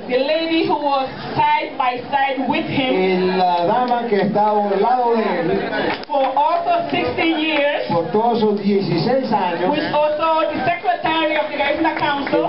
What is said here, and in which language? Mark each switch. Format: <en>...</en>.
<en>The lady who was side by side with him.</en> <es>Y la dama que estaba al lado de él.</es> <en>For also 16 years.</en> <es>Por todos esos 16 años.</es> <en>Was also the secretary of the Garifuna Council.</en>